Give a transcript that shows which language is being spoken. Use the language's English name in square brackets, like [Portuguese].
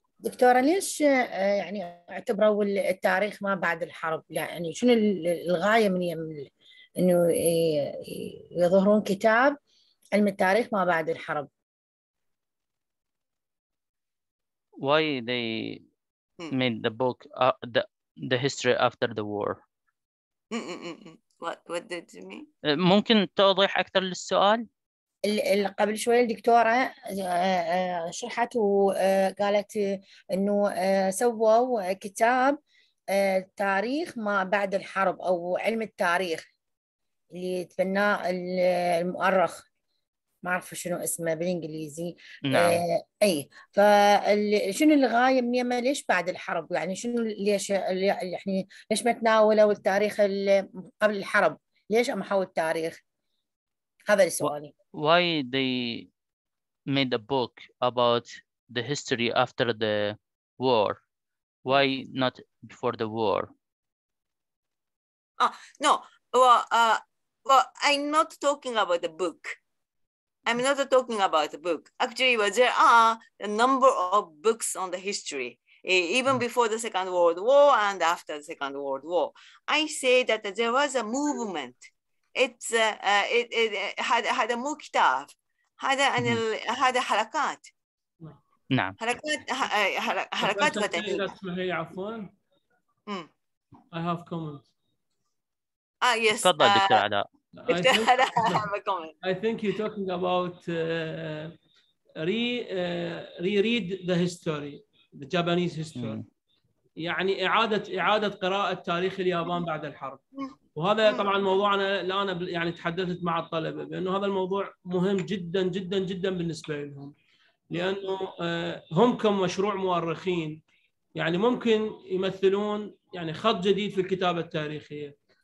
[Arabic] دكتورة ليش يعني اعتبروا التاريخ ما بعد الحرب؟ يعني شنو الغاية من إنه يظهرون كتاب علم التاريخ ما بعد الحرب؟ [English] Why they made the book the history after the war? What did you mean? [Arabic] ممكن توضيح أكثر للسؤال؟ اللي قبل شوية الدكتورة شرحت وقالت إنه سووا كتاب تاريخ ما بعد الحرب أو علم التاريخ اللي تبناه المؤرخ، ما أعرف شنو اسمه بالإنجليزي. نعم. أي فشنو الغاية من يمه ليش بعد الحرب؟ يعني شنو ليش يعني ليش ما تناولوا التاريخ قبل الحرب؟ ليش ما حول التاريخ؟ هذا السؤالي. [English] Why they made a book about the history after the war? Why not before the war? No. Well, I'm not talking about the book. I'm not talking about the book. Actually, well, there are a number of books on the history, even before the Second World War and after the Second World War. I say that there was a movement. It's it had a muktav, had a harakat. No. [Arabic] Harakat. [English] I have comments. Ah yes. I think you're talking about reread the history, the Japanese history. [Arabic] يعني إعادة قراءة تاريخ اليابان بعد الحرب. وهذا طبعا موضوع أنا الآن يعني تحدثت مع الطلبة بأنه هذا الموضوع مهم جدا جدا جدا بالنسبة لهم، لأنه هم كمشروع مؤرخين يعني ممكن يمثلون يعني خط جديد في الكتابة التاريخية.